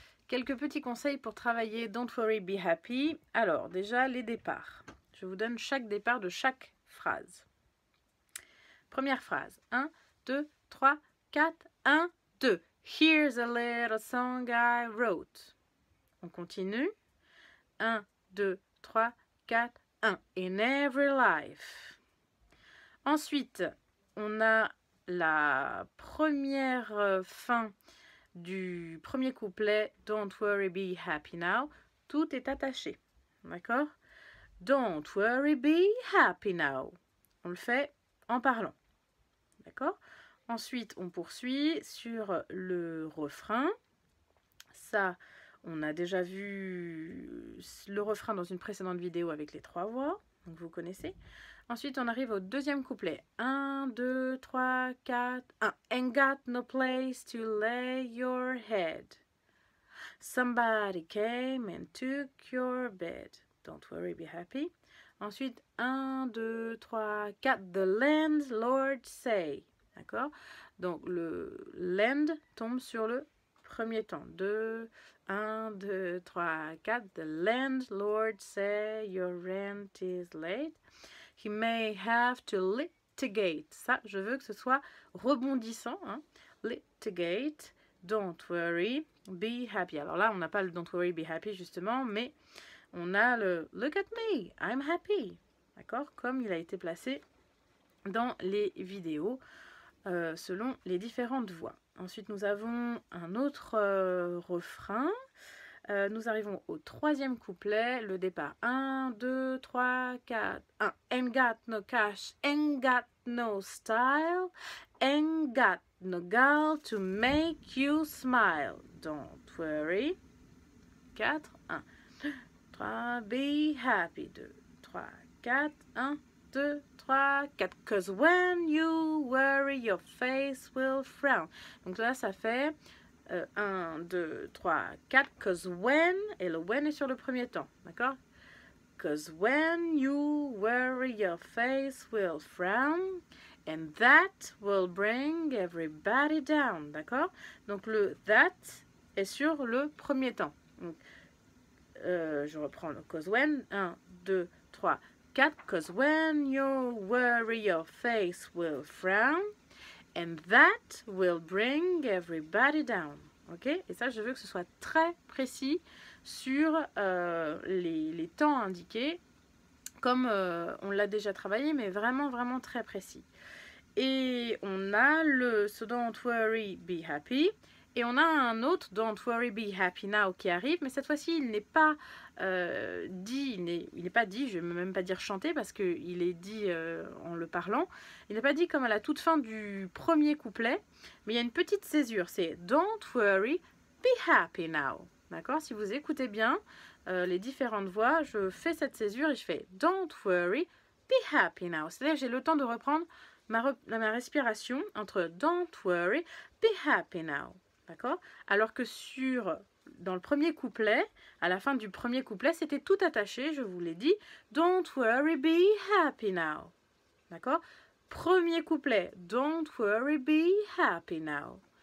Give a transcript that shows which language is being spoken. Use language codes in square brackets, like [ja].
[fr] Quelques petits conseils pour travailler Don't Worry, Be Happy. Alors, déjà, les départs. Je vous donne chaque départ de chaque phrase. Première phrase. 1, 2, 3, 4, 1, 2. [en] Here's a little song I wrote. [fr] On continue. 1, 2, 3, 4, 1. [en] In every life. [fr] Ensuite, on a la première fin du premier couplet, [en] Don't worry, be happy now. [fr] Tout est attaché, d'accord? [en] Don't worry, be happy now. [fr] On le fait en parlant, d'accord? Ensuite, on poursuit sur le refrain. Ça, on a déjà vu le refrain dans une précédente vidéo avec les trois voix, donc vous connaissez. Ensuite, on arrive au deuxième couplet. 1, 2, 3, 4, 1. [en] Ain't got no place to lay your head. Somebody came and took your bed. Don't worry, be happy. [fr] Ensuite, [en] 1, 2, 3, 4. The landlord say. [fr] D'accord? Donc, le land tombe sur le premier temps. 1, 2, 3, 4. [en] The landlord say your rent is late. He may have to litigate. [fr] Ça, je veux que ce soit rebondissant. [en] Hein. Litigate. Don't worry. Be happy. [fr] Alors là, on n'a pas le [en] don't worry, be happy, [fr] justement, mais on a le [en] look at me. I'm happy. [fr] D'accord? Comme il a été placé dans les vidéos selon les différentes voix. Ensuite, nous avons un autre refrain. Nous arrivons au troisième couplet, le départ. 1, 2, 3, 4, 1. [en] Ain't got no cash, ain't got no style, ain't got no girl to make you smile. Don't worry. 4, 1, 3, be happy. [fr] 2, 3, 4, 1, 2, 3, 4. [en] 'Cause when you worry, your face will frown. [fr] Donc là, ça fait... 1, 2, 3, 4, [en] 'cause when, [fr] et le when est sur le premier temps, d'accord? [en] 'Cause when you worry, your face will frown, and that will bring everybody down, [fr] d'accord? Donc le that est sur le premier temps. Donc, je reprends le [en] 'cause when, 1, 2, 3, 4, 'cause when you worry, your face will frown, and that will bring everybody down. Ok? [fr] Et ça, je veux que ce soit très précis sur les temps indiqués, comme on l'a déjà travaillé, mais vraiment, vraiment très précis. Et on a le [en] so don't worry, be happy. [fr] Et on a un autre [en] don't worry, be happy now [fr] qui arrive, mais cette fois-ci, il n'est pas dit, il n'est pas dit, je ne vais même pas dire chanter parce qu'il est dit en le parlant. Il n'est pas dit comme à la toute fin du premier couplet, mais il y a une petite césure, c'est [en] don't worry, be happy now. [fr] D'accord ? Si vous écoutez bien les différentes voix, je fais cette césure et je fais [en] don't worry, be happy now. [fr] C'est-à-dire que j'ai le temps de reprendre ma respiration entre [en] don't worry, be happy now. [fr] D'accord ? Alors que dans le premier couplet, à la fin du premier couplet, c'était tout attaché, je vous l'ai dit. [en] Don't worry, be happy now. [fr] D'accord ? Premier couplet, [en] don't worry, be happy now.